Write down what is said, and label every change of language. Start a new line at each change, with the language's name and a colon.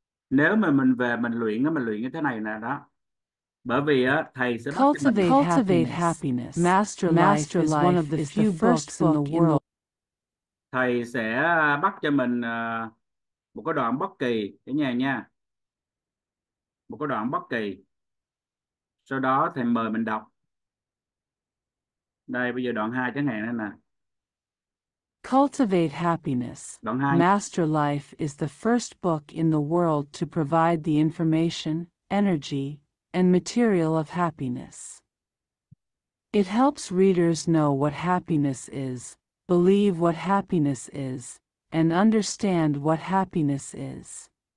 Vietnamese: Nếu mà mình về mình luyện như thế này nè, đó. Bởi vì á, thầy sẽ bắt cho mình
English: cultivate happiness. Master Life is one of the few books in the world.
Vietnamese: Thầy sẽ bắt cho mình một cái đoạn bất kỳ cả nhà nha. Một cái đoạn bất kỳ. Sau đó thầy mời mình đọc. Đây bây giờ đoạn 2 chẳng hạn đây nè.
English: Cultivate Happiness.
Vietnamese: Đoạn 2.
English: Master Life is the first book in the world to provide the information, energy and material of happiness. It helps readers know what happiness is, Believe what happiness is, and understand what happiness is.